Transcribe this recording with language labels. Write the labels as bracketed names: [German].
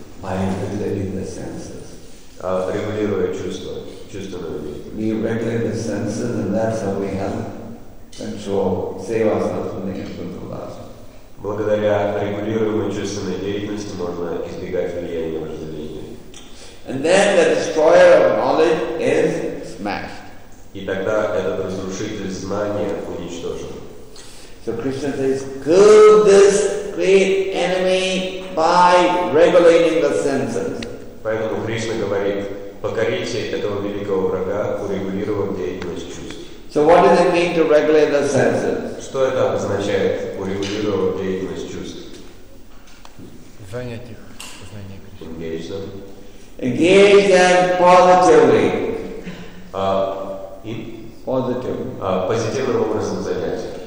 [English] By regulating the senses. [Russian] Регулируя чувства, чувственное влияние. [English] We regulate the senses, and that's how we have control. Save ourselves from the influence of lust. [Russian] Благодаря регулируемой чувственной деятельности можно избегать влияния вожделения. [English] And then the destroyer of knowledge is smashed. [Russian] И тогда этот разрушитель знания уничтожен. [English] So Krishna says, kill this great enemy by regulating the senses. [Russian] Поэтому Кришна говорит, покорите этого великого врага, урегулировав деятельность чувств. [English] So what does it mean to regulate the senses? [Russian] Что это означает, урегулировав деятельность чувств? Занять их знание Кришны. [English] Engage them. Engage them positively. [Russian] Позитивным образом занять.